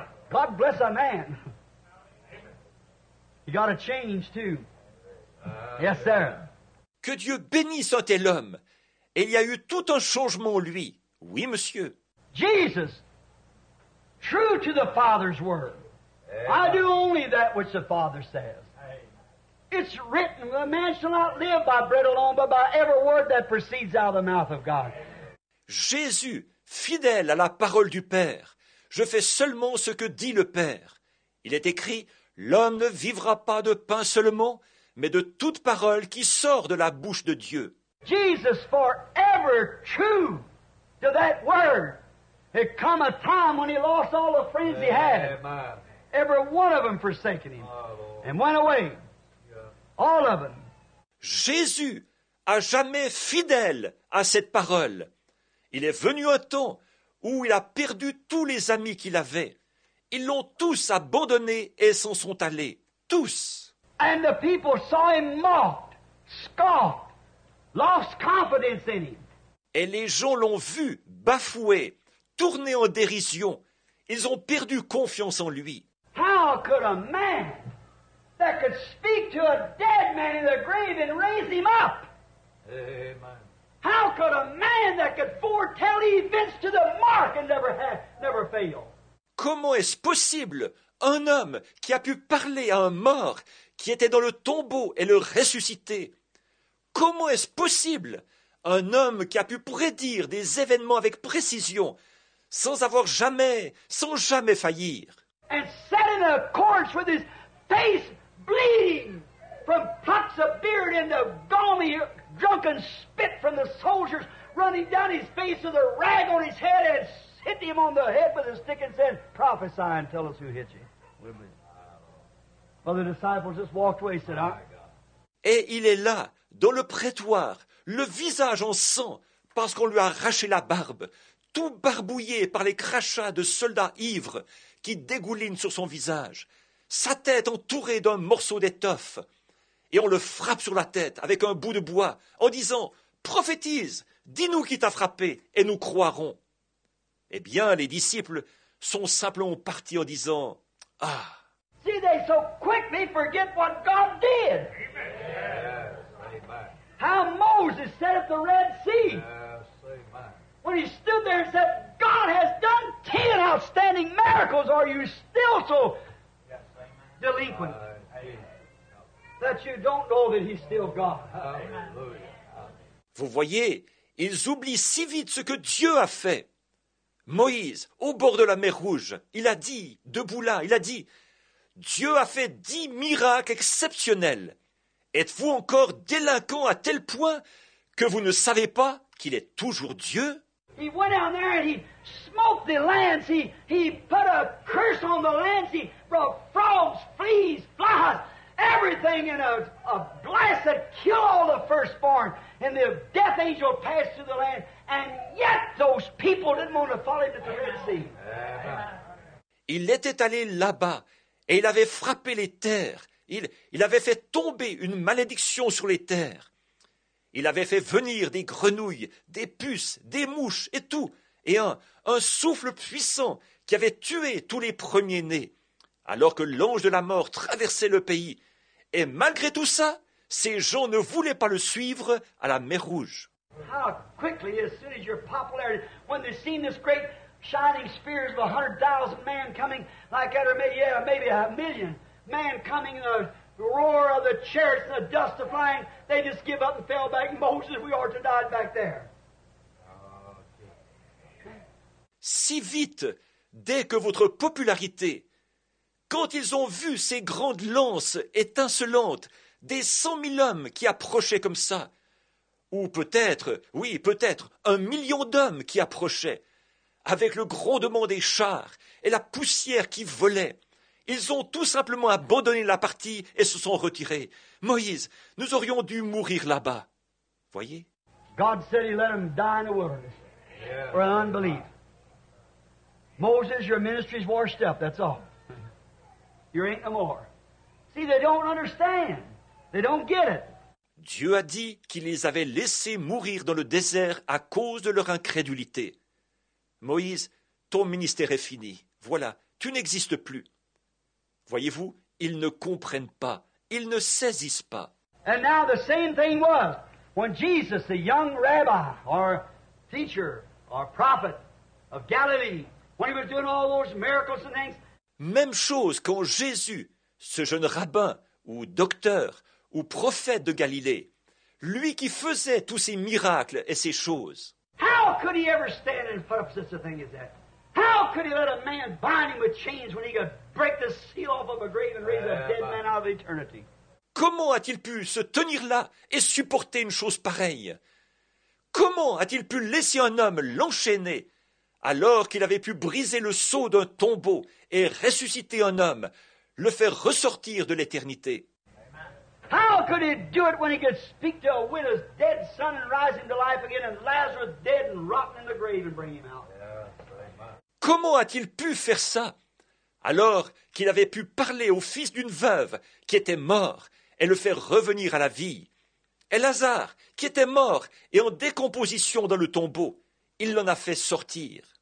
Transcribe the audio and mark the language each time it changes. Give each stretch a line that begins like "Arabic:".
English: God bless a man. You got to change too. Yes, sir.
French: Que Dieu bénisse un tel homme. Il y a eu tout un changement en lui. Oui, monsieur.
English: Jesus, true to the Father's word. I do only that which the Father says. It's written, a man shall not live by bread alone, but by every word that proceeds out of the mouth of God.
French: Jésus, fidèle à la parole du Père, je fais seulement ce que dit le Père. Il est écrit, l'homme ne vivra pas de pain seulement, mais de toute parole qui sort de la bouche de Dieu.
English: Jesus, forever true to that word. It come a time when he lost all the friends he had. Every one of them forsaken him. And went away. All of them.
French: Jésus, à jamais fidèle à cette parole. Il est venu un temps où il a perdu tous les amis qu'il avait. Ils l'ont tous abandonné et s'en sont allés. Tous.
English: And the people saw him mocked, scoffed, lost confidence in him.
French: Et les gens l'ont vu bafoué, tourné en dérision. Ils ont perdu confiance en lui.
English: How could a man that could speak to a dead man in the grave and raise him up? Amen. How could a man that could foretell events to the mark and never fail?
French: Comment est-ce possible un homme qui a pu parler à un mort qui était dans le tombeau et le ressusciter? Comment est-ce possible un homme qui a pu prédire des événements avec précision sans avoir jamais, sans jamais faillir?
English: And sat in a corpse with his face bleeding from pots of beard and the gaumy drunken spit from the soldiers running down his face with a rag on his head and hit him on the head with a stick and said, prophesy and tell us who hit you. Well, the disciples just walked away, said, oh,
French: et il est là, dans le prétoire, le visage en sang, parce qu'on lui a arraché la barbe, tout barbouillé par les crachats de soldats ivres qui dégoulinent sur son visage, sa tête entourée d'un morceau d'étoffe. Et on le frappe sur la tête avec un bout de bois en disant, prophétise, dis-nous qui t'a frappé et nous croirons. Eh bien, les disciples sont simplement partis en disant, ah.
English: See, they so quickly forget what God did. How Moses set up the Red Sea. When he stood there and said, God has done 10 outstanding miracles, are you still so delinquent that you don't know that he's still God?
French: Vous voyez, ils oublient si vite ce que Dieu a fait. Moïse, au bord de la mer Rouge, il a dit, debout là, il a dit, Dieu a fait 10 miracles exceptionnels. Êtes-vous encore délinquant à tel point que vous ne savez pas qu'il est toujours Dieu?
English: He went down there and he smoked the lands. He put a curse on the lands. He brought frogs, fleas, flies, everything in a glass that killed all the firstborn. And the death angel passed through the land. And yet those people didn't want to follow him to the Red Sea.
French: Il était allé là-bas et il avait frappé les terres. Il avait fait tomber une malédiction sur les terres. Il avait fait venir des grenouilles, des puces, des mouches et tout, et un souffle puissant qui avait tué tous les premiers-nés, alors que l'ange de la mort traversait le pays. Et malgré tout ça, ces gens ne voulaient pas le suivre à la mer Rouge.
English: How quickly, as soon as your popularity, when they seen this great shining spears of 100,000 men coming, like that, or maybe a million men coming in the roar of the chariots and the dust of flying, they just give up and fell back. Moses, we ought to die back there.
French: Si vite, dès que votre popularité, quand ils ont vu ces grandes lances étincelantes, des 100 000 hommes qui approchaient comme ça, ou peut-être, oui, peut-être, 1 million d'hommes qui approchaient, avec le grondement des chars et la poussière qui volait, ils ont tout simplement abandonné la partie et se sont retirés. Moïse, nous aurions dû mourir là-bas. Voyez.
English: God said he let them die in the wilderness for an unbelief. Moses, your ministry's washed up, that's all. You ain't no more. See, they don't understand. They don't get it.
French: Dieu a dit qu'il les avait laissés mourir dans le désert à cause de leur incrédulité. Moïse, ton ministère est fini. Voilà, tu n'existes plus. Voyez-vous, ils ne comprennent pas, ils ne saisissent pas.
English: And now the same thing was when Jesus, the young rabbi, or teacher, or prophet of Galilee, when he was doing all those miracles and things.
French: Même chose quand Jésus, ce jeune rabbin, ou docteur, ou prophète de Galilée, lui qui faisait tous ces miracles et ces choses.
English: How could he ever stand in front of such a thing as that? How could he let a man bind him with chains when he could break the seal off of a grave and raise a dead man out of eternity?
French: Comment a-t-il pu se tenir là et supporter une chose pareille? Comment a-t-il pu laisser un homme l'enchaîner alors qu'il avait pu briser le sceau d'un tombeau et ressusciter un homme, le faire ressortir de l'éternité?
English: How could he do it when he could speak to a widow's dead son and rise him to life again and Lazarus dead and rotten in the grave and bring him out?
French: Comment a-t-il pu faire ça, alors qu'il avait pu parler au fils d'une veuve qui était mort et le faire revenir à la vie, Et Lazare, qui était mort et en décomposition dans le tombeau, il l'en a fait sortir.